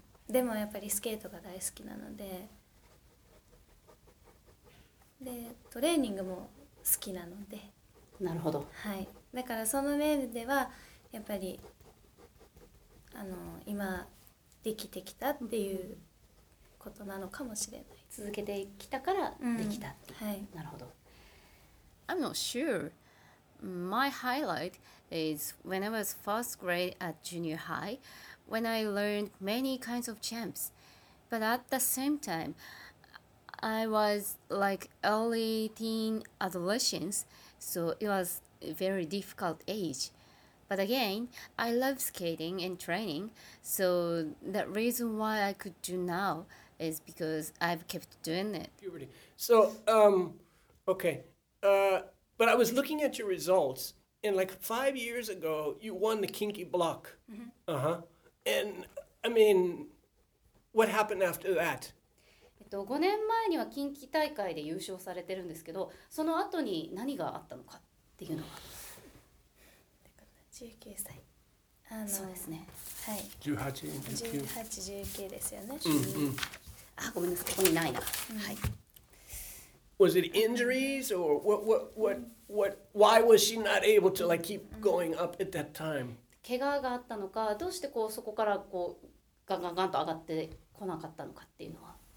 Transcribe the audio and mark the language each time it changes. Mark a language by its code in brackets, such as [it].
[ja] でもやっぱりスケートが大好きなので、でトレーニングも好きなので、なるほど、はい、だからその面ではやっぱり今できてきたっていうことなのかもしれない。続けてきたからできたって、うん、はい、なるほど。 [en] I'm not sure. My highlight is when I was first grade at junior high, when I learned many kinds of jumps. But at the same timeI was like early teen adolescence, so it was a very difficult age. But again, I love skating and training, so the reason why I could do now is because I've kept doing it. Puberty. So, okay. But I was looking at your results, and like 5 years ago, you won the kinky block. Mm-hmm. Uh-huh. And, I mean, what happened after that? [ja] 5年前には近畿大会で優勝されてるんですけど、その後に何があったのかっていうのは、 19歳そうですね、はい、 18、19 ですよね、うんうん、あ、ごめんなさい、ここにないな、うん、はい、 [en] Was it injuries or what why was she not able to like keep going up at that time? [ja] 怪我があったのか、どうしてこうそこからこうガンガンガンと上がってこなかったのかっていうのは、